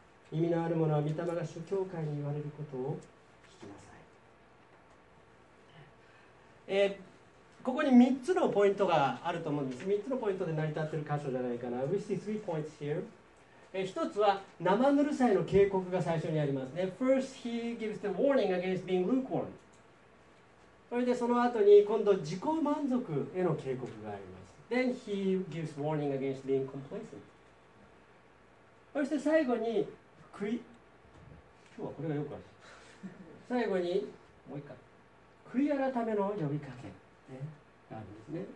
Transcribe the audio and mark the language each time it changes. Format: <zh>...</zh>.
<ja>意味のある者は御霊が主教会に言われることを聞きなさい。ここに3つのポイントがあると思うんです。3つのポイントで成り立っている箇所じゃないかな。</ja> <en>We see three points here.</en> <ja>一つは生ぬるさへの警告が最初にありますね。</ja> <en>First he gives the warning against being lukewarm.</en> <ja>それでその後に今度自己満足への警告があります。</ja> <en>Then he gives warning against being complacent.</en> <ja>そして最後に今日はこれがよくある最後にもう一回悔い改めの呼びかけがあるんですね。</ja>